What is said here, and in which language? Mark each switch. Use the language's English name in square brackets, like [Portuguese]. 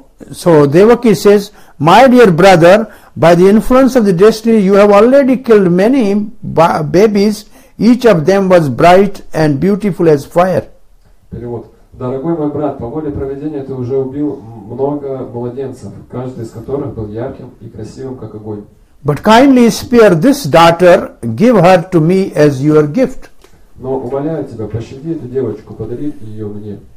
[English] So Devaki says, my dear brother, by the influence of the destiny, you have already killed many babies. Each of them was bright and beautiful as fire. [Russian] Перевод. Дорогой мой брат, по воле проведения ты уже убил много младенцев, каждый из которых был ярким и красивым, как огонь. [English] But kindly spare this daughter, give her to me as your gift. [Russian] Но умоляю тебя, пощади эту девочку, подари ее мне.